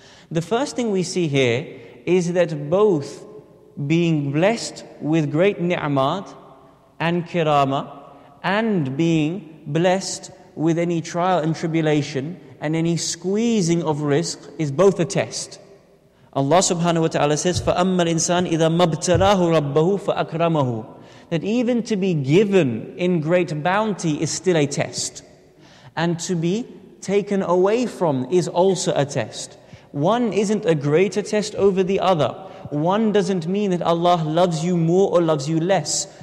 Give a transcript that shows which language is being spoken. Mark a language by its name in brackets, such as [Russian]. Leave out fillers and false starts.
[English] The first thing we see here is that both being blessed with great ni'mat and kirama, and being blessed with any trial and tribulation and any squeezing of risk is both a test. Allah subhanahu wa ta'ala says, [Arabic] فَأَمَّا الْإِنسَانِ إِذَا مَبْتَلَاهُ رَبَّهُ فَأَكْرَمَهُ. [English] That even to be given in great bounty is still a test. And to be taken away from is also a test. One isn't a greater test over the other. One doesn't mean that Allah loves you more or loves you less.